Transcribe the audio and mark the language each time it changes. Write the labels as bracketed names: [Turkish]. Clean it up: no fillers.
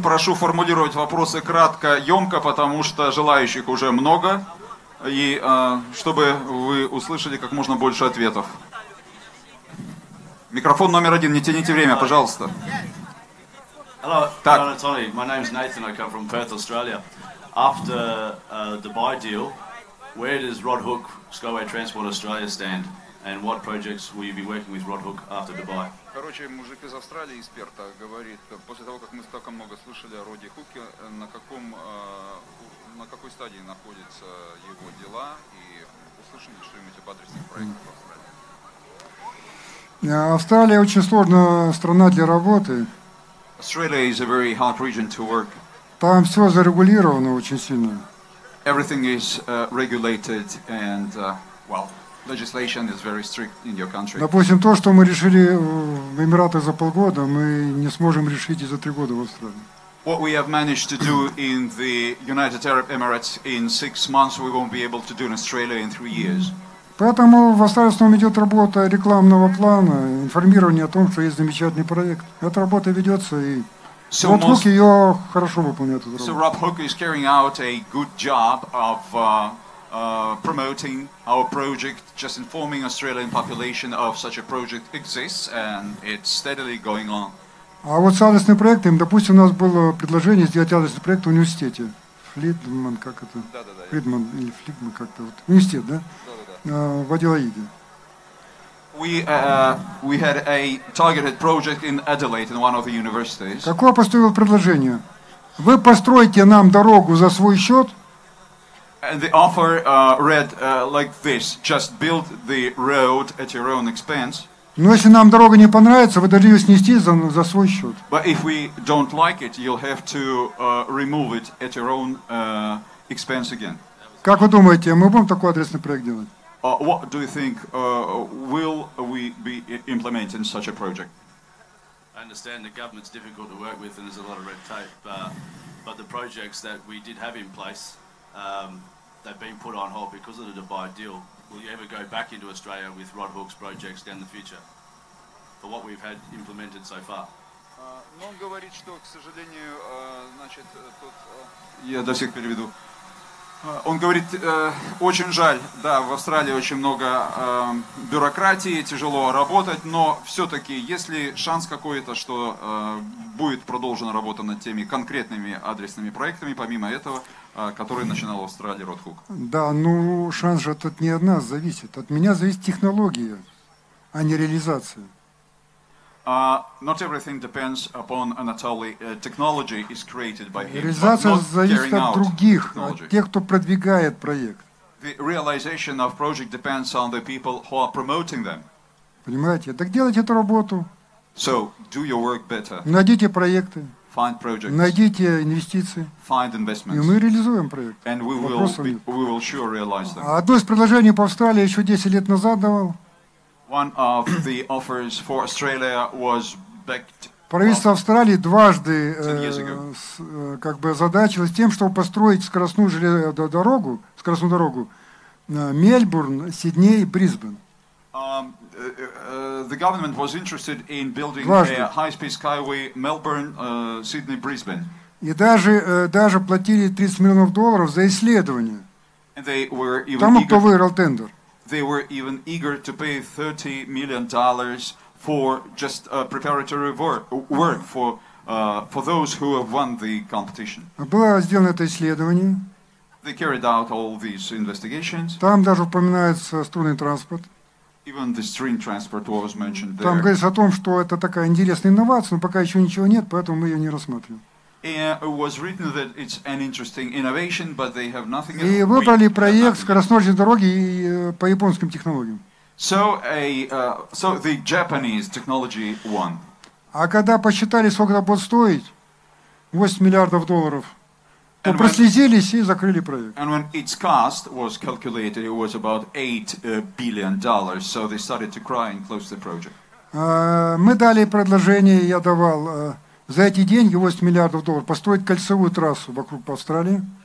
[Russian] Прошу формулировать вопросы кратко, емко, потому что желающих уже много. И чтобы вы услышали как можно больше ответов. Микрофон номер один. Не тяните время, пожалуйста. [English] Hello, Dan and Tony. My name is Nathan. I come from Perth, Australia. After Dubai deal, where does Rod Hook Skyway Transport Australia stand, and what projects will you be working with Rod Hook after Dubai? [Russian] Короче, мужик из Австралии, из Перта, говорит, после того как мы так много слышали о Роди Хуке, на какой стадии находятся его дела и услышали что-нибудь об адресных проектах в Австралии? Австралия очень сложная страна для работы. [English] Australia is a very hard region to work. [Russian] Там все зарегулировано очень сильно. [English] Everything is regulated and well, legislation is very strict in your country. [Russian] Допустим, то, что мы решили в Эмиратах за полгода, мы не сможем решить и за три года в Австралии. [English] What we have managed to do in the United Arab Emirates in 6 months, we won't be able to do in Australia in 3 years. [Russian] Поэтому в Австралии снова идет работа рекламного плана, информирование о том, что есть замечательный проект. Эта работа ведется, и Rod Hook ее хорошо выполняет. [English] So Rod Hook is carrying out a good job of promoting our project, just informing Australian population of such a project exists, and it's steadily going on. [Russian] А вот с адресным проектом, допустим, у нас было предложение сделать адресный проект в университете. Флидман, как это? Да. Флидман или Флидман как-то. Вот. Университет, да? В Аделаиде. [English] We had a targeted project in Adelaide in one of the universities. [Russian] Какое поступило предложение? Вы построите нам дорогу за свой счет? [English] And the offer read like this: just build the road at your own expense. [Russian] Но если нам дорога не понравится, вы должны ее снести за свой счет. [English] But if we don't like it, you'll have to remove it at your own expense again. [Russian] Как вы думаете, мы будем такой адресный проект делать? [English] What do you think will we be implementing such a project? I understand the government's difficult to work with and there's a lot of red tape, but the projects that we did have in place, they've been put on hold because of the Dubai deal. Will you ever go back into Australia with Rod Hook's projects down the future for what we've had implemented so far? [Russian] Он говорит, что, к сожалению, значит, тут... Я до всех переведу. Он говорит, очень жаль, да, в Австралии очень много бюрократии, тяжело работать, но все-таки есть ли шанс какой-то, что будет продолжена работа над теми конкретными адресными проектами, помимо этого, который начинал в Австралии Rod Hook? Да, ну шанс же тут не от нас зависит, от меня зависит технология, а не реализация. [English] Not everything depends upon Anatoly. Technology is created by him. [Russian] Реализация зависит от других, от тех, кто продвигает проект. [English] The realization of project depends on the people who are promoting them. [Russian] Понимаете? Так делайте эту работу. [English] So do your work better. [Russian] Найдите проекты. [English] Find projects. [Russian] Найдите инвестиции. [English] Find investments. [Russian] И мы реализуем проект. [English] And we will sure realize them. [Russian] Одно из предложений по Австралии еще 10 лет назад давал. [English] One of the offers for Australia was backed. [Russian] Правительство Австралии дважды как бы озадачилось тем, чтобы построить скоростную дорогу Мельбурн, Сидней, Брисбен. [English] The government was interested in building [Russian] дважды. [English] A high-speed skyway Melbourne, Sydney, Brisbane. [Russian] И даже платили 30 миллионов долларов за исследование. [English] And they were even [Russian] там, [English] eager. [Russian] Кто выиграл тендер. [English] They were even eager to pay $30 million for just preparatory work for those who have won the competition. [Russian] Было сделано это исследование. [English] They carried out all these investigations. [Russian] Там даже упоминается струнный транспорт. [English] Even the string transport was mentioned there. [Russian] Там говорится о том, что это такая интересная инновация, но пока еще ничего нет, поэтому мы ее не рассматриваем. [English] It was written that it's an interesting innovation, but they have nothing. [Russian] И выбрали проект скоростной дороги по японским технологиям. [English] So the Japanese technology won. [Russian] А когда посчитали, сколько это будет стоить, 8 миллиардов долларов, то прослезились и закрыли проект. [English] And when its cost was calculated, it was about $8 billion, so they started to cry and close the project. [Russian] Мы дали предложение, я давал за эти деньги $8 миллиардов построить кольцевую трассу вокруг Австралии.